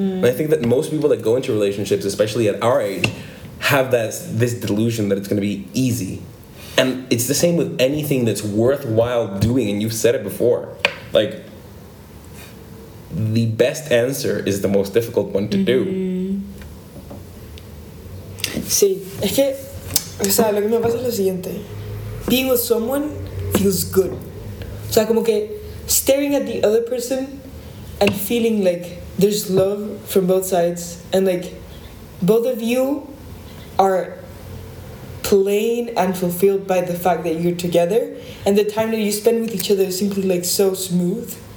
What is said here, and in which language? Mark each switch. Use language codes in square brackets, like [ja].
[en] And I think that most people that go into relationships, especially at our age, have this delusion that it's going to be easy. And it's the same with anything that's worthwhile doing, and you've said it before. Like, the best answer is the most difficult one to do. [es] Sí. Es que, o sea, lo que me pasa es lo siguiente. [en] Being with someone feels good. [es] O sea, como que [en] staring at the other person and feeling like there's love from both sides, and like both of you are plain and fulfilled by the fact that you're together, and the time that you spend with each other is simply like so smooth.